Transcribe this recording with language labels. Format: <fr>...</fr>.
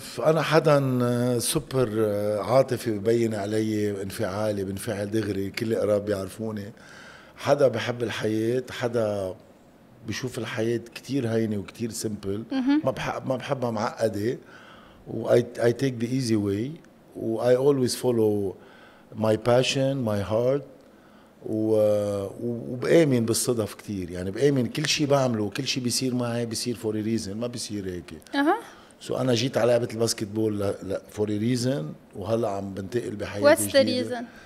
<ar>انا حدا سوبر عاطفي، ببين علي انفعالي، بنفعل دغري، كل قراب بيعرفوني. حدا بحب الحياه، حدا بشوف الحياه كثير هينه وكثير سمبل. ما بحبها معقده.</ar> <en>I take the easy way. I always follow my passion, my heart.</en> <ar>وبآمن بالصدف كتير، يعني بآمن كل شيء بعمله وكل شيء بيصير معي بيصير</ar> <en>for a reason،</en> <ar>ما بيصير هيك. سو أنا جيت على لعبة الباسكتبول لا</ar> <en>for a reason،</en> <ar>وهلا عم بنتقل بحياتي.</ar> <en>What's the reason؟</en>